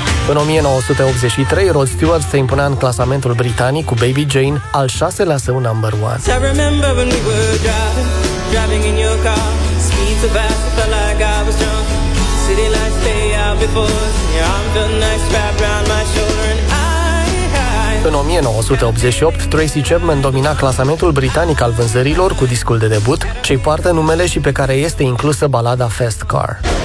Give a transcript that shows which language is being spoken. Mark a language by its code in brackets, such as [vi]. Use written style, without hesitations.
[ro] În 1983, Rod Stewart se impunea în clasamentul britanic cu Baby Jane, al șaselea său number one. [en] I remember when we were driving in your car, speed so fast, it felt like I was drunk. City lights day out before, your arm felt nice wrapped around my shoulder and [ro] În 1988, Tracy Chapman domina clasamentul britanic al vânzărilor cu discul de debut, ce-i poartă numele și pe care este inclusă balada Fast Car.